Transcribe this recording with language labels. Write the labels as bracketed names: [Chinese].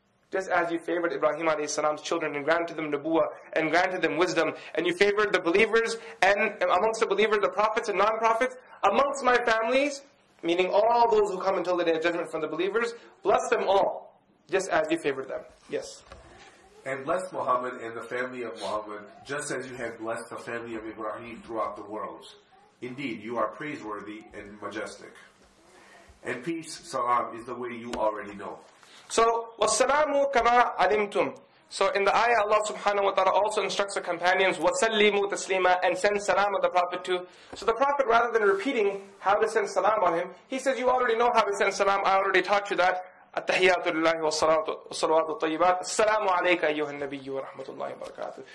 [English] Just as you favored Ibrahim alayhi salam's children and granted them nubuwa and granted them wisdom, and you favored the believers and amongst the believers, the prophets and non-prophets, amongst my families, meaning all those who come until the Day of Judgment from the believers, bless them all, just as you favored them. Yes. And bless Muhammad and the family of Muhammad, just as you have blessed the family of Ibrahim throughout the world. Indeed, you are praiseworthy and majestic. And peace, salam, is the way you already know. So, [Arabic] وَالسَّلَامُ كَمَا عَلِمْتُمْ. [English] So in the ayah, Allah subhanahu wa ta'ala also instructs the companions, [Arabic] وَسَلِّمُوا تَسْلِيمًا, [English] and send salam of the Prophet too. So the Prophet, rather than repeating how to send salam on him, he says, you already know how to send salam, I already taught you that. [Arabic] أَتَّحِيَاتُ لِلَّهِ وَالصَّلَوَاتُ الطَّيِّبَاتُ السَّلَامُ عَلَيْكَ أَيُّهَا النَّبِيُّ وَرَحْمَةُ اللَّهِ وَبَرَكَاتُهُ.